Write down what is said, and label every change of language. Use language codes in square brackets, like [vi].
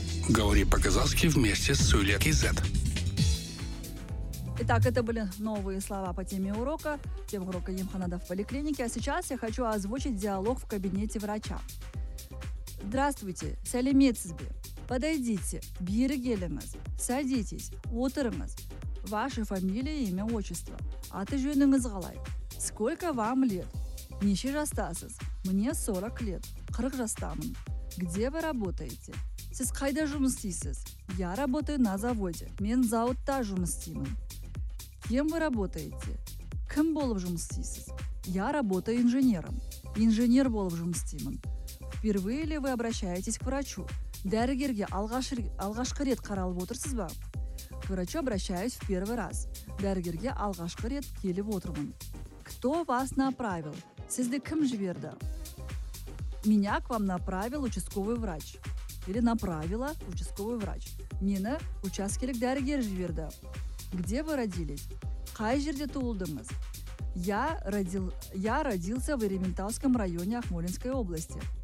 [ru] Говори по-казахски вместе с Сөйле.кз. Итак, это были новые слова по теме урока, тема урока «Емханада» в поликлинике. А сейчас я хочу озвучить диалог в кабинете врача. Здравствуйте, [kk] сәлеметсізбе. [ru] Подойдите, [kk] бері келіңіз. [ru] Садитесь, [kk] отырыңыз. [ru] Ваша фамилия, имя, отчество. [kk] Аты жөніңіз қалай. [ru] Сколько вам лет? [kk] Неше жастасыз? [ru] Мне 40 лет. [kk] 40 жастамын. [ru] Где вы работаете? [kk] Сіз қайда жұмыс істейсіз? [ru] Я работаю на заводе. [kk] Мен зауытта жұмыс істеймін. [ru] Кем вы работаете? [kk] Кем болып жұмыс істейсіз? [ru] Я работаю инженером. [kk] Инженер болып жұмыс істеймін. [ru] Впервые ли вы обращаетесь к врачу? [kk] Дәрігерге алғашқы рет қаралып отырсыз ба? [ru] К врачу обращаюсь в первый раз. [kk] Дәрігерге алғашқы рет келіп отырмын. [ru] Кто вас направил? [kk] Сізді кім жіберді? [ru] Меня к вам направил участковый врач. Или направила участковый врач. [kk] Мені учаскелік дәрігер жіберді. [ru] Где вы родились? [kk] Хай жерде туылдыңыз. [ru] Я родился в Ерементауском районе Ахмолинской области.